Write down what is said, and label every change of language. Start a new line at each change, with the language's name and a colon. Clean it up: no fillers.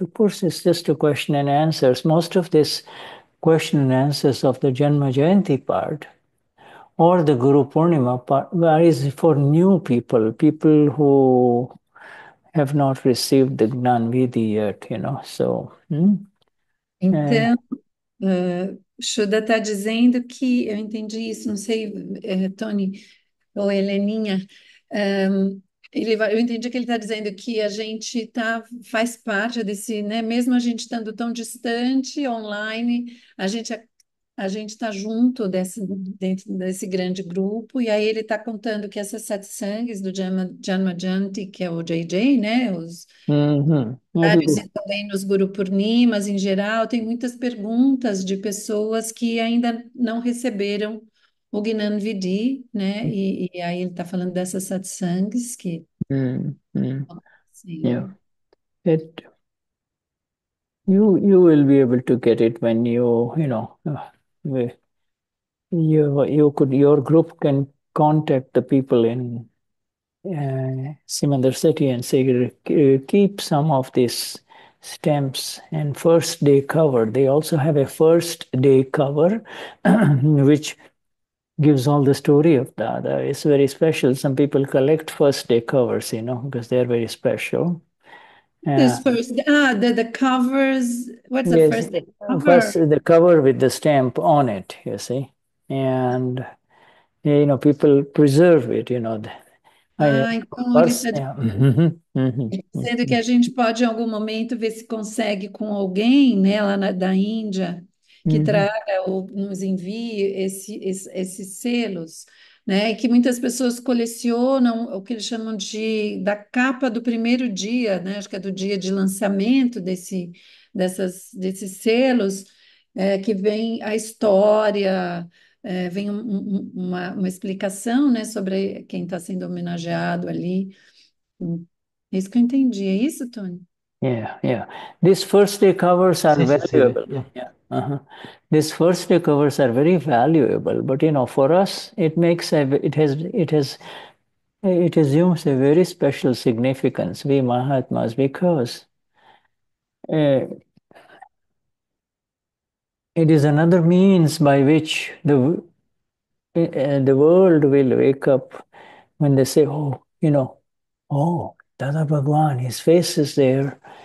English: Of course, it's just a question and answers. Most of this question and answers of the Janma Jayanti part or the Guru Purnima part is for new people, people who have not received the Gnanvidhi yet, you know. So,
Portuguese: Então, Shuda está dizendo que, eu entendi isso, não sei, Tony ou Heleninha, eu entendi que ele está dizendo que a gente faz parte desse, né, mesmo a gente estando tão distante online, a gente está junto dentro desse grande grupo, e aí ele está contando que essas sete sangues do Janmajanti, que é o JJ, né, os. E também nos Guru Purnimas em geral, tem muitas perguntas de pessoas que ainda não receberam o Gnanvidhi, né? E aí ele está falando dessas satsangs que. Sim.
English: You will be able to get it when your group can contact the people in Simandar City and say, keep some of these stamps and first day cover. They also have a first day cover which gives all the story of Dada. It's very special. Some people collect first day covers, you know, because they're very special. This first day. The covers. What's the Yes, first day? first Cover. the cover with the stamp on it, you see, and people preserve it, you know.
Portuguese: Ah, então ele está dizendo que a gente pode, em algum momento, ver se consegue com alguém, né, lá da Índia, que traga ou nos envie esses selos. Né, que muitas pessoas colecionam o que eles chamam da capa do primeiro dia, né, acho que é do dia de lançamento desses selos, que vem a história, vem uma explicação, né, sobre quem está sendo homenageado ali. É isso que eu entendi, é isso, Tony?
English: These first day covers are
Portuguese: Sim, Cecília.
English: valuable. These first day covers are very valuable, but for us it assumes a very special significance, we Mahatmas, because it is another means by which the world will wake up when they say, oh, Dada Bhagwan, his face is there.